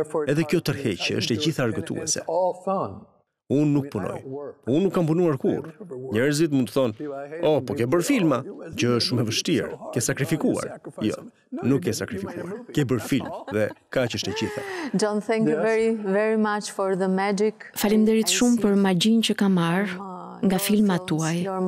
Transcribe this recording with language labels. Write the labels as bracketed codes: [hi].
[sq] Edhe kjo tërheqje është e gjithë argëtuese. Unë nuk punoj. Unë nuk kam punuar kurrë. Njerëzit mund të thonë, oh, po ke bërë filma, gjë është shumë e vështirë, ke sakrifikuar. Jo, nuk ke sakrifikuar. Ke bërë film dhe kaq është e gjitha. [en] John, thank you very, very much for the magic. [sq] Faleminderit shumë për magjinë që ka marrë nga filmat tuaj.